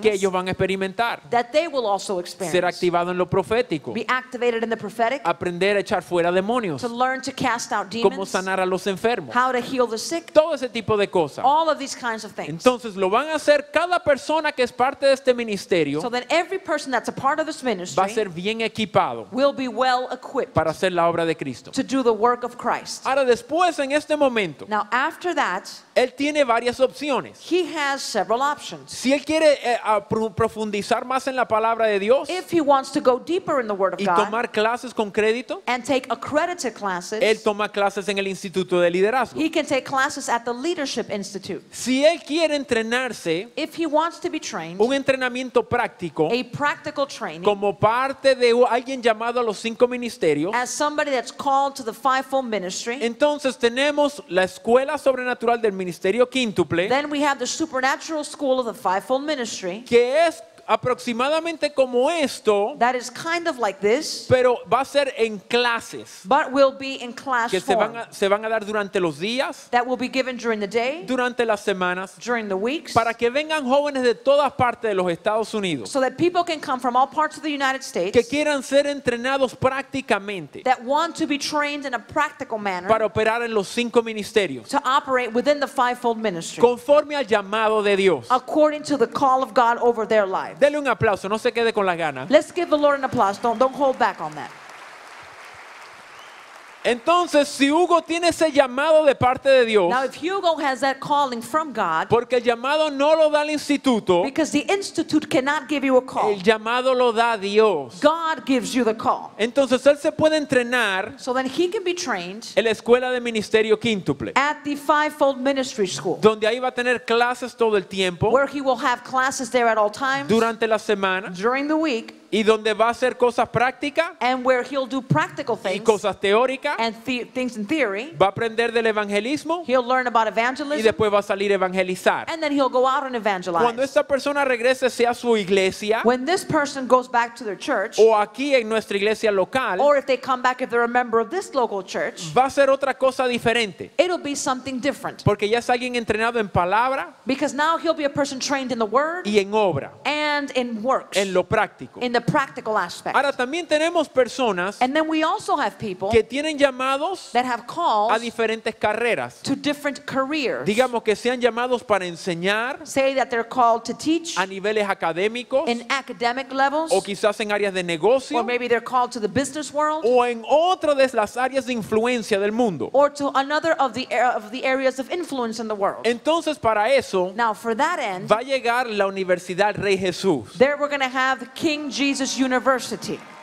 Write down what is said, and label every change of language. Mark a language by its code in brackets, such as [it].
[es] que ellos van a experimentar, [en] that they will also experience, [es] ser activado en lo profético, [en] be activated in the prophetic, [es] aprender a echar fuera demonios, [en] to learn to cast out demons, [es] cómo sanar a los enfermos, [en] how to heal the sick, [es] todo ese tipo de cosas, [en] all of these kinds of things. [es] Entonces lo van a hacer cada persona que es parte de este ministerio. [en] So then every person that's a part of this ministry [es] va a ser bien equipado, [en] will be well equipped, [es] para hacer la obra de Cristo, [en] to do the work of Christ. [es] Ahora después, en este momento, [en] now after that, [es] él tiene varias opciones. [en] He has several options. [es] Si él quiere profundizar más en la palabra de Dios, [en] if he wants to go deeper in the word of [es] y tomar [en] God, [es] clases con crédito, [en] and take accredited classes, [es] él toma clases en el Instituto de Liderazgo, [en] he can take classes at the Leadership Institute. [es] Si él quiere entrenarse, [en] if he wants to be trained, [es] un entrenamiento práctico, [en] a practical training, [es] como parte de alguien llamado a los cinco ministerios, [en] as somebody that's called to the fivefold ministry, [es] entonces tenemos la escuela sobrenatural del ministerio quíntuple, [en] then we have the supernatural school of the fivefold ministry, [es] que es aproximadamente como esto, [en] that is kind of like this, [es] pero va a ser en clases, [en] but will be in class [es] que se van a dar durante los días, [en] that will be given during the day, [es] durante las semanas, [en] during the weeks, [es] para que vengan jóvenes de todas partes de los Estados Unidos, [en] so that people can come from all parts of the United States, [es] que quieran ser entrenados prácticamente, [en] that want to be trained in a practical manner, [es] para operar en los cinco ministerios, [en] to operate within the fivefold ministry, [es] conforme al llamado de Dios, [en] according to the call of God over their life. [es] Dele un aplauso, no se quede con las ganas. [en] Let's give the Lord an applause. Don't hold back on that. [es] Entonces, si Hugo tiene ese llamado de parte de Dios, [en] now if Hugo has that calling from God, [es] porque el llamado no lo da el instituto, [en] because the institute cannot give you a call, [es] el llamado lo da Dios, [en] God gives you the call. [es] Entonces él se puede entrenar, [en] so then he can be trained, [es] en la escuela de ministerio quíntuple, [en] at the fivefold ministry school, [es] donde ahí va a tener clases todo el tiempo, [en] where he will have classes there at all times, [es] durante la semana, [en] during the week, [es] y donde va a hacer cosas prácticas, [en] and where he'll do practical things, [es] y cosas teóricas, [en] and things in theory, [es] va a aprender del evangelismo, [en] he'll learn about evangelism, [es] y después va a salir a evangelizar, [en] and then he'll go out and evangelize. [es] Cuando esta persona regrese sea su iglesia, [en] when this person goes back to their church, [es] o aquí en nuestra iglesia local, [en] or if they come back if they're a member of this local church, [es] va a ser otra cosa diferente, [en] it'll be something different, [es] porque ya es alguien entrenado en palabra, [en] because now he'll be a person trained in the word, [es] y en obra, [en] and in works, [es] en lo práctico, [en] in the practical aspect. [es] Ahora también tenemos personas, [en] and then we also have people [es] que tienen llamados, [en] that have calls, [es] a diferentes carreras, [en] to different careers. [es] Digamos que sean llamados para enseñar, [en] say that they're called to teach, [es] a niveles académicos, [en] in academic levels, [es] o quizás en áreas de negocio, [en] or maybe they're called to the business world, [es] o en otra de las áreas de influencia del mundo, [en] or to another of the areas of influence in the world. [es] Entonces para eso, [en] now for that end, [es] va a llegar la Universidad Rey Jesús. [en] There we're going to have King Jesus University.